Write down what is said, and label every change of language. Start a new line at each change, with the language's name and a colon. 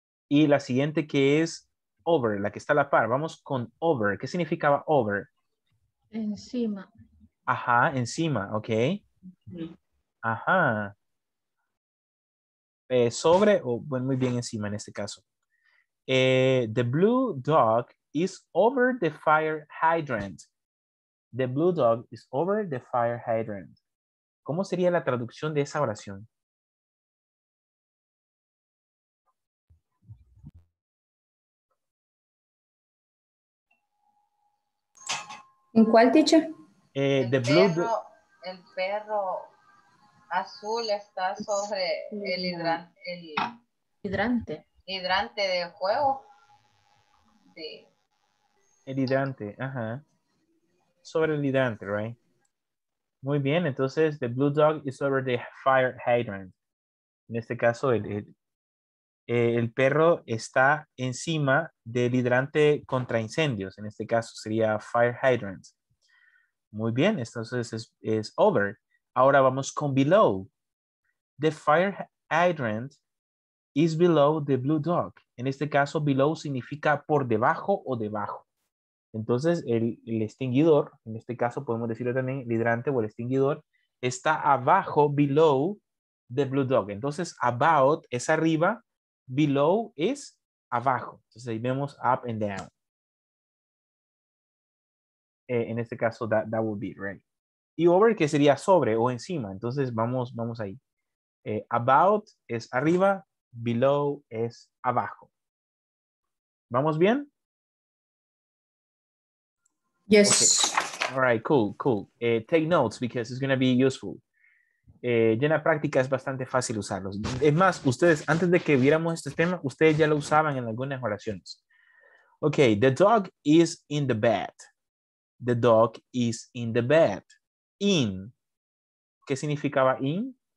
Spanish: Y la siguiente que es over, la que está a la par. Vamos con over. ¿Qué significaba over? Encima. Ajá, encima, ok. Sí. Ajá. Sobre, bueno, muy bien encima en este caso.
English: The blue dog is over the fire hydrant. The blue dog is over the fire hydrant.
Spanish: ¿Cómo sería la traducción de esa oración? ¿En cuál, teacher? El perro azul está sobre el hidrante de juego. El hidrante, ajá. Sobre el hidrante, right? Muy bien, entonces,
English: the blue dog is over the fire hydrant.
Spanish: En este caso, el perro está encima del hidrante contra incendios. En este caso, sería fire hydrant. Muy bien, entonces es over. Ahora vamos con below.
English: The fire hydrant is below the blue dog.
Spanish: En este caso, below significa por debajo o debajo. Entonces, el extinguidor, en este caso podemos decirlo también, el hidrante o el extinguidor, está abajo,
English: below the blue dog.
Spanish: Entonces, about es arriba, below es abajo. Entonces, ahí vemos
English: up and down.
Spanish: En este caso,
English: that would be right.
Spanish: Y over, que sería sobre o encima. Entonces, vamos ahí. About es arriba, below es abajo. ¿Vamos bien?
English: Yes. Okay. All right, cool. Take notes because it's going to be useful.
Spanish: Ya en la práctica es bastante fácil usarlos. Es más, ustedes, antes de que viéramos este tema, ustedes ya lo usaban en algunas oraciones.
English: Okay, the dog is in the bed. The dog is in the bed. In.
Spanish: ¿Qué significaba in?